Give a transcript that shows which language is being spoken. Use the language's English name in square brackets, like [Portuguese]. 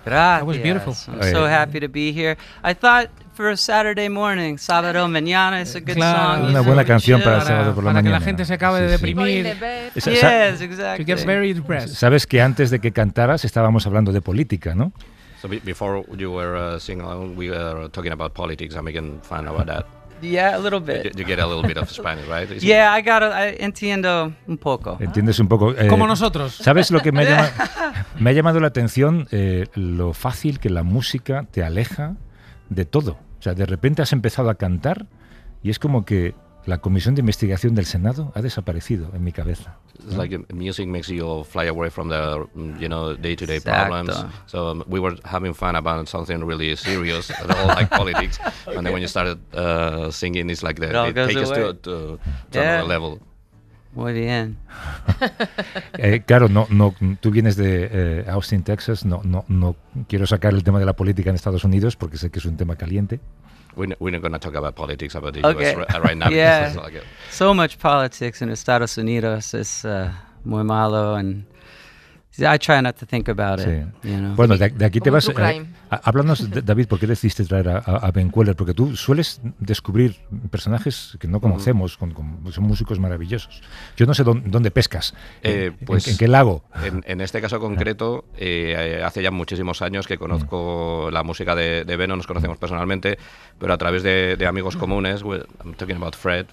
[Spanish] Gracias. [English] That was beautiful. I'm so happy to be here. I thought for a Saturday morning, Sábado Mañana is a good song. [Spanish] Una buena canción para el sábado por la mañana. Para que la gente se acabe de deprimir. [English] Yes, exactly. To get very depressed. [Spanish] Sabes que antes de que cantaras estábamos hablando de política, ¿no? [English] So before you were singing, we were talking about politics. I'm making fun about that. Yeah, a little bit. You get a little bit of Spanish, right? Is yeah, it? I got. I [Spanish] entiendo un poco. Entiendes un poco. Como nosotros. ¿Sabes lo que me ha llamado? Me ha llamado la atención lo fácil que la música te aleja de todo. O sea, de repente has empezado a cantar y es como que la comisión de investigación del Senado ha desaparecido en mi cabeza. [English] It's like music makes you fly away from the, you know, day-to-day [Spanish] Exacto. [English] problems. So we were having fun about something really serious, at all like politics. Okay. And then when you started singing, it's like that. It takes away. Us to another level. [Spanish] Muy bien. Claro, no, tú vienes de Austin, Texas. No quiero sacar el tema de la política en Estados Unidos porque sé que es un tema caliente. [English] We're not going to talk about politics about the U.S. right now. Yeah. So much politics in Estados Unidos is [Spanish] muy malo, [English] and I try not to think about it. [Spanish] Sí. [English] You know? [Spanish] Bueno, de aquí te vas. Háblanos, David, ¿por qué decidiste traer a Ben Queller? Porque tú sueles descubrir personajes que no conocemos, son músicos maravillosos. Yo no sé dónde pescas, en qué lago. En este caso concreto, hace ya muchísimos años que conozco la música de Ben, no nos conocemos personalmente, pero a través de amigos comunes, [English] I'm talking about Fred